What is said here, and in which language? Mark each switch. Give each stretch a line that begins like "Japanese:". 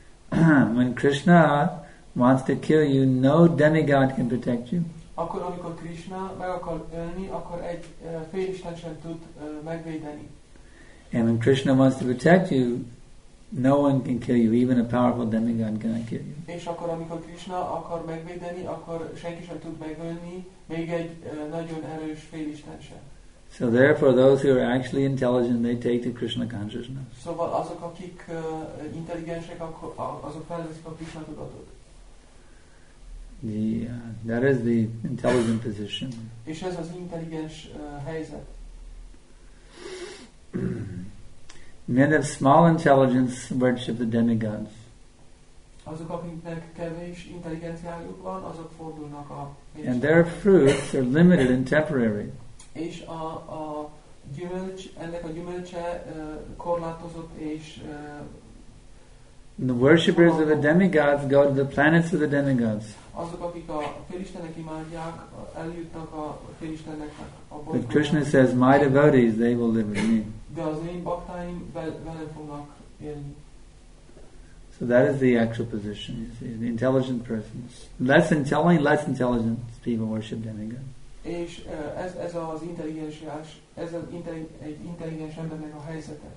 English: When Krishna wants to kill you, no demigod can protect you.
Hungarian: Akkor amikor Krishna meg akar ölni, akkor egy félisten sem tud megvédeni.
English: And when Krishna wants to protect you, no one can kill you, even a powerful demigod cannot kill you.
Hungarian: És akkor amikor Krishna akar megvédeni, akkor senki sem tud megölni, még egy nagyon erős félisten sem.
English: So therefore those who are actually intelligent, they take to Krishna consciousness.
Hungarian: Szóval azok, akik intelligensek, azok felveszik a Krishna tudatot.
English: That is the intelligent position.
Hungarian: És ez az intelligens helyzet.
English: Men of small intelligence worship the demigods.
Hungarian: Azok, akiknek kevés intelligenciájuk van, azok fordulnak a.
English: And their fruits are limited and temporary.
Hungarian: És a gyümölcs, ennek a gyümölcse korlátozott és.
English: The worshippers of the demigods go to the planets of the demigods.
Hungarian: Azok, akik a félistenek imádják, eljutnak a félisteneknek.
English: But Krishna says, my devotees, they will live with me.
Hungarian: De az én baktáim vele fognak élni.
English: So that is the actual position, you see. The intelligent persons. Less intelligent people worship demigod.
Hungarian: És ez az intelligenciás, ez az egy intelligens embernek a helyzete.